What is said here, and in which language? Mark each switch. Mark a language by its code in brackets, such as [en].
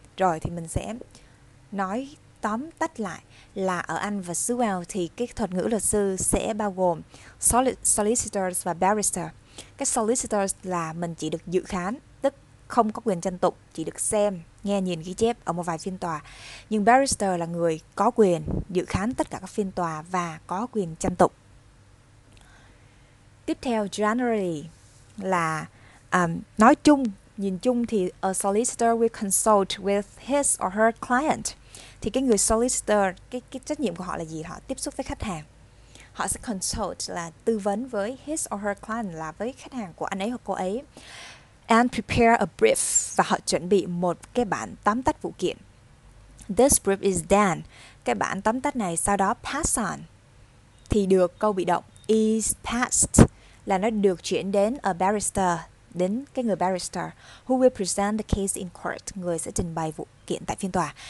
[vi] Rồi thì mình sẽ nói tóm tắt lại là ở Anh và xứ Wales thì cái thuật ngữ luật sư sẽ bao gồm solicitors và barrister. Cái solicitors là mình chỉ được dự khán, tức không có quyền tranh tụng, chỉ được xem, nghe nhìn ghi chép ở một vài phiên tòa. Nhưng barrister là người có quyền dự khán tất cả các phiên tòa và có quyền tranh tụng. Tiếp theo, [en] generally [vi] là nói chung, nhìn chung thì [en] a solicitor will consult with his or her client. [vi] Thì cái người solicitor, cái trách nhiệm của họ là gì? Họ tiếp xúc với khách hàng. Họ sẽ consult là tư vấn với [en] his or her client, [vi] là với khách hàng của anh ấy hoặc cô ấy. [en] And prepare a brief, [vi] và họ chuẩn bị một cái bản tóm tắt vụ kiện. [en] This brief is done. [vi] Cái bản tóm tắt này sau đó pass on thì được câu bị động is passed, là nó được chuyển đến a barrister, đến cái người barrister [en] who will present the case in court, [vi] người sẽ trình bày vụ kiện tại phiên tòa.